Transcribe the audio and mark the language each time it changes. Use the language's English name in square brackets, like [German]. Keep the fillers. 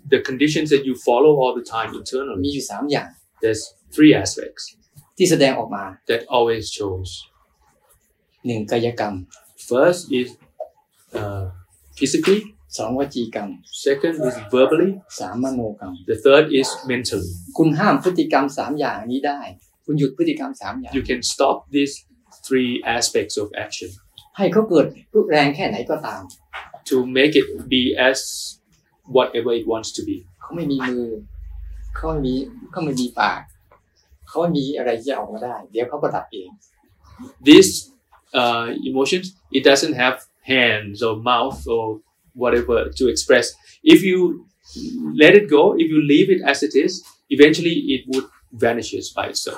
[English] the conditions that you follow all the time internally, there's three aspects that always shows. First is uh, physically, [Thai] สองวจีกรรม [English] second is verbally [Thai] สามมโนกรรม [English] the third is mentally [Thai] คุณห้ามพฤติกรรมสามอย่างนี้ได้ คุณหยุดพฤติกรรมสามอย่าง [English] you can stop these three aspects of action [Thai] ให้เขาเกิดรุนแรงแค่ไหนก็ตาม [English] to make it be as whatever it wants to be [Thai] เขาไม่มีมือเขาไม่มีเขาไม่มีปากเขามีอะไรจะออกมาได้ เดี๋ยวเขาก็ดับเอง [English] these uh, emotions it doesn't have hands or mouth or whatever to express. If you let it go, if you leave it as it is, eventually it would vanishes by itself.